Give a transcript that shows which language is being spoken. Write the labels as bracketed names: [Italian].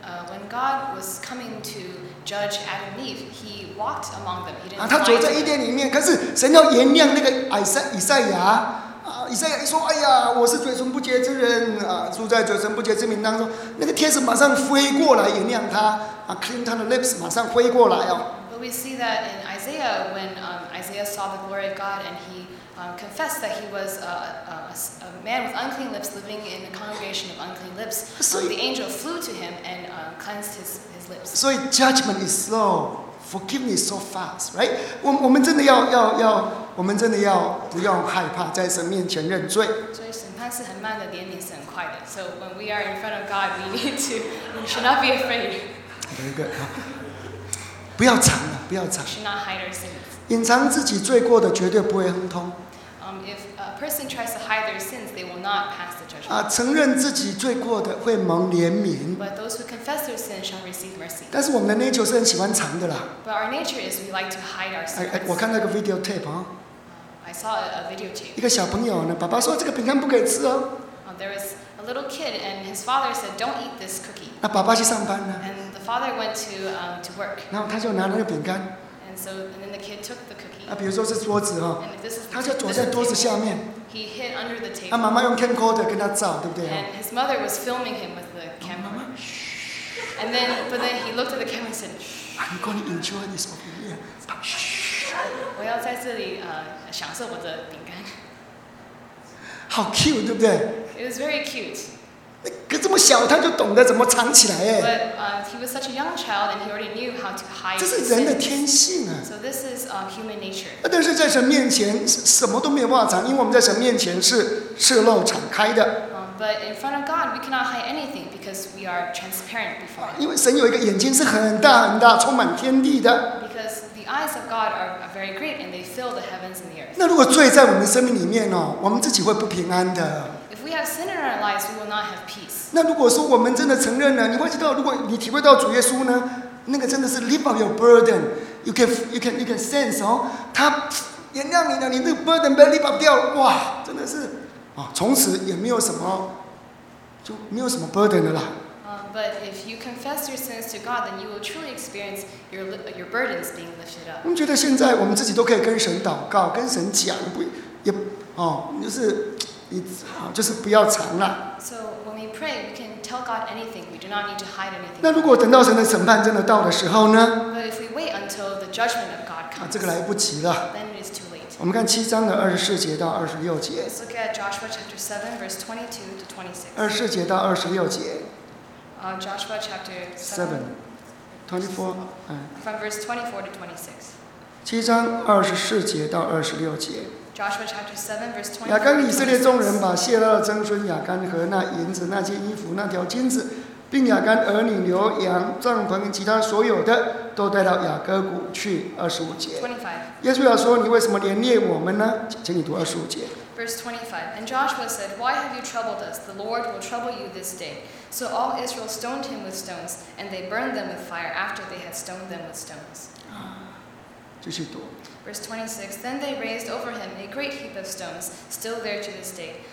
[English] When God was coming to judge Adam and Eve, He walked among them. He didn't. [Chinese] 他走在伊甸里面，可是神要原谅那个以赛亚。以赛亚说：“哎呀，我是嘴唇不洁之人啊，住在嘴唇不洁之民当中。” 那个天使马上飞过来原谅他啊 ，clean 他的 lips， 马上飞过来哦。 [English] But we see that in Isaiah when Isaiah saw the glory of God and he confessed that he was a man with unclean lips living in a congregation of unclean lips. So the angel flew to him and cleansed his lips. So judgment is slow. Forgiveness so fast, right? [Chinese] 我们真的要，我们真的要不要害怕在神面前认罪？所以审判是很慢的，怜悯是很快的。 [English] So when we are in front of God, we should not be afraid. Very good. [Chinese] 不要藏了，不要藏。 [English] Should not hide our sins. [Chinese] 隐藏自己罪过的绝对不会亨通。 [English] If a person tries to hide their sins, they will not pass the judgment. [Chinese] 承认自己罪过的会蒙怜悯。 [English] But those who confess their sins shall receive mercy. [Chinese] 但是我们的 nature 是很喜欢藏的啦。 [English] But our nature is we like to hide our sins. [Chinese] 我看那个 videotape 啊。 [English] I saw a videotape. [Chinese] 一个小朋友呢，爸爸说这个饼干不可以吃哦。 [English] There was a little kid and his father said, "Don't eat this cookie." [Chinese] 那爸爸去上班呢。 [English] And the father went to work. [Chinese] 然后他就拿那个饼干。 [English] And so, and then the kid took the cookie. [Chinese] 比如说是桌子哈，他就躲在桌子下面。 [English] He hid under the table. [Chinese] 妈妈用 camcorder 跟他照，对不对？ [English] And his mother was filming him with the camera. [Chinese] 妈妈， [English] 嘘。And then, but then he looked at the camera and said, "I'm going to enjoy this over here." 嘘。 [Chinese] 我要在这里享受我的饼干。好 cute， 对不对 [English] ？It was very cute。 [Chinese] 可这么小，他就懂得怎么藏起来哎。 [English] But he was such a young child, and he already knew how to hide. [Chinese] 这是人的天性啊。 [English] So this is human nature. [Chinese] 但是在神面前，什么都没有办法藏，因为我们在神面前是赤露敞开的。 [English] But in front of God, we cannot hide anything because we are transparent before Him. [Chinese] 因为神有一个眼睛是很大很大，充满天地的。 [English] Because the eyes of God are very great, and they fill the heavens and the earth. [Chinese] 那如果罪在我们的生命里面哦，我们自己会不平安的。 [English] We have sin in our lives, we will not have peace. [Chinese] 那如果说我们真的承认了，你会知道，如果你体会到主耶稣呢，那个真的是 [English] lift up your burden, you can sense [Chinese] 哦，他原谅你了，你那个 burden 被 lift up 掉了，哇，真的是，啊，从此也没有什么，就没有什么 burden 了啦。 [English] But if you confess your sins to God, then you will truly experience your burdens being lifted up. [Chinese] 我们觉得现在我们自己都可以跟神祷告，跟神讲，不也哦，就是。就是不要藏了。 [English] So when we pray, we can tell God anything. We do not need to hide anything. [Chinese] 那如果等到神的审判真的到的时候呢？ [English] But if we wait until the judgment of God comes, [Chinese] 这个来不及了。 [English] Then it is too late. [Chinese] 我们看七章的24节到26节。 [English] Let's look at Joshua chapter 7, verse 22 to 26. [Chinese] 24节到26节。 [English] Joshua chapter 7, 24. From verse 24 to 26. 7:24-26. Joshua chapter 7, verse 20. [Chinese] 亚干以色列众人把谢勒的曾孙亚干和那银子、那件衣服、那条金子，并亚干儿女、牛羊、帐篷其他所有的，都带到雅各谷去。 25节。 [English] 25. [Chinese] 耶稣要说：“你为什么连累我们呢？” 请你读25节。 [English] Verse 25. And Joshua said, "Why have you troubled us? The Lord will trouble you this day." So all Israel stoned him with stones, and they burned them with fire after they had stoned them with stones. [Chinese] 继续读。 [English] Verse 26, then they raised over him a great heap of stones, still there to this day.